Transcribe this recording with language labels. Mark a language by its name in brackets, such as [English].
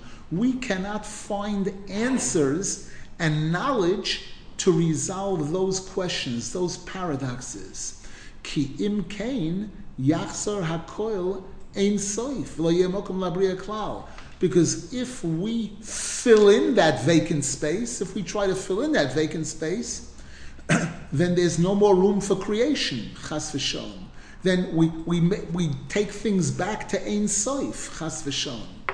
[English] We cannot find answers and knowledge to resolve those questions, those paradoxes. [Hebrew] Ki im kein yachzor hakoil ein soif lo yemokum labriya klal. [English] Because if we fill in that vacant space, if we try to fill in that vacant space, then there's no more room for creation, [Hebrew] chas v'shalom. [English] Then we take things back to Ein Soif, [Hebrew] chas v'shalom.